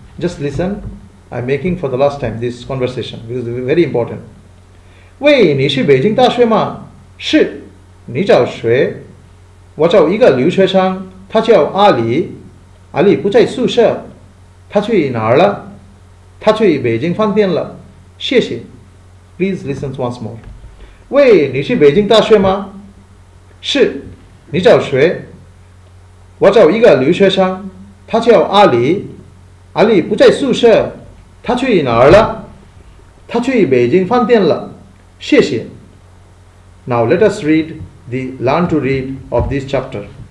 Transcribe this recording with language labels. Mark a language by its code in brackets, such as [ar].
[en] Just listen, I'm making for the last time this conversation, because it's very important. [zh] 喂，你去北京大学吗？是。你找谁？我找一个留学生，他叫阿里。阿里不在宿舍。他去哪儿了？他去北京饭店了。谢谢。 [en] Please listen once more. [zh] 喂，你去北京大学吗？是。你找谁？我找一个留学生，他叫阿里。阿里不在宿舍，他去哪儿了？他去北京饭店了。谢谢。 [en] Now let us read the learn to read of this chapter.